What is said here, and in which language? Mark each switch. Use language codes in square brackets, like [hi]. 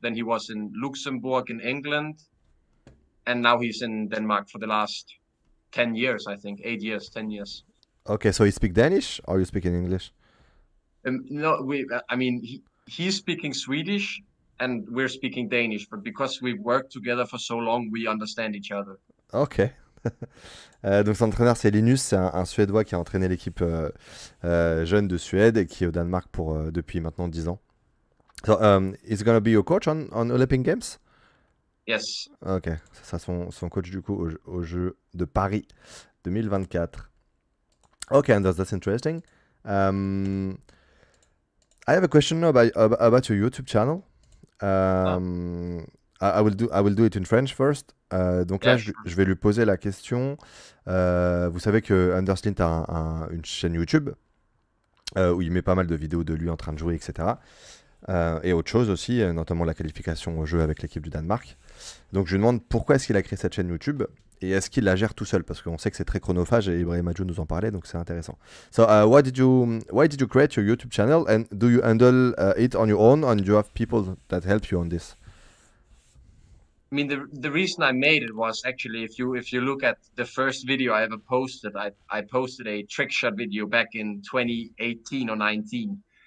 [en] Then he was in Luxembourg in England, and now he's in Denmark for the last 10 years, I think, 8 years, 10 years. Okay, so you speak Danish or you speak in English? No, I mean he's speaking Swedish, and we're speaking Danish, but because we've worked together for so long, we understand each other. Okay. [fr] Donc son entraîneur c'est Linus, c'est un Suédois qui a entraîné l'équipe jeune de Suède et qui est au Danemark pour depuis maintenant 10 ans. [en] So, he's gonna be your coach on Olympic Games? Yes. [fr] Ok, c'est ça son coach du coup au jeu de Paris 2024. [en] Okay, Anders, that's interesting. I have a question about your YouTube channel. I will do it in French first. [fr] Donc là, [en] Yeah, sure. [fr] je vais lui poser la question. Vous savez que Anders Lindt a une chaîne YouTube où il met pas mal de vidéos de lui en train de jouer, etc. Et autre chose aussi, notamment la qualification au jeu avec l'équipe du Danemark. Donc je lui demande pourquoi est-ce qu'il a créé cette chaîne YouTube? Et est-ce qu'il la gère tout seul? Parce qu'on sait que c'est très chronophage et Ibrahima Diop nous en parlait, donc c'est intéressant. [en] So, why did you create your YouTube channel and do you handle it on your own and do you have people that help you on this? I mean the reason I made it was actually if you look at the first video I ever posted, I posted a trick shot video back in 2018 or 19.